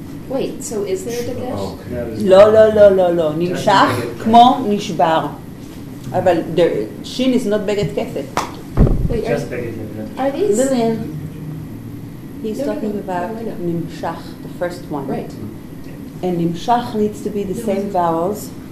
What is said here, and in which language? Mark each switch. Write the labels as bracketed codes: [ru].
[en] Wait, so is there a digesh? [he] לא, לא, לא, לא, לא. נמשך כמו נשבר. [en] אבל שין is not בגד כפת. Just בגד כפת. Are these... He's talking about nimshach, the first one. Right. And nimshach needs to be the same vowels.